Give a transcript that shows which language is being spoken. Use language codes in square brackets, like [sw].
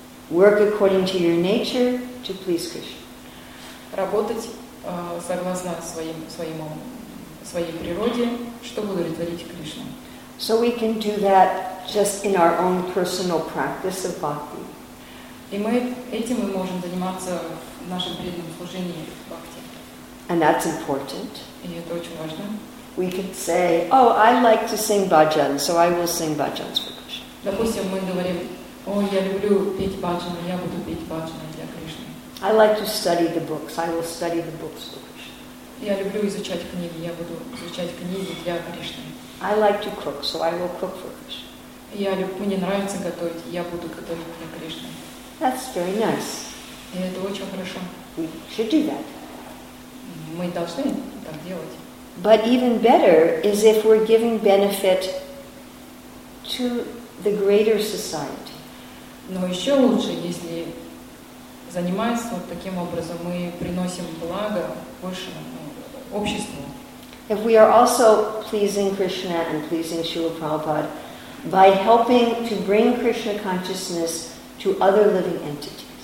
[en] Work according to your nature to please Krishna. [ru] Работать согласно своей природе, чтобы удовлетворить Кришну. [en] So we can do that just in our own personal practice of bhakti. [ru] И мы этим мы можем заниматься в нашем преданном служении в бхакти. [en] And that's important. [ru] И это очень важно. [en] We can say, oh, I like to sing bhajan, so I will sing bhajans for Krishna. [ru] Допустим, мы говорим, о, я люблю петь бхаджаны, я буду петь бхаджаны для Кришны. [en] I like to study the books, I will study the books for Krishna. [ru] Я люблю изучать книги, я буду изучать книги для Кришны. [en] I like to cook, so I will cook for Krishna. [ru] Мне нравится готовить, я буду готовить для Кришны. [en] That's very nice. [ru] И это очень хорошо. [en] We should do that. [ru] Мы должны так делать. [en] But even better is if we're giving benefit to the greater society. [ru] Но еще лучше, если занимаясь вот таким образом, мы приносим благо большему обществу. [en] If we are also pleasing Krishna and pleasing Śrīla Prabhupāda, by helping to bring Krishna consciousness to other living entities.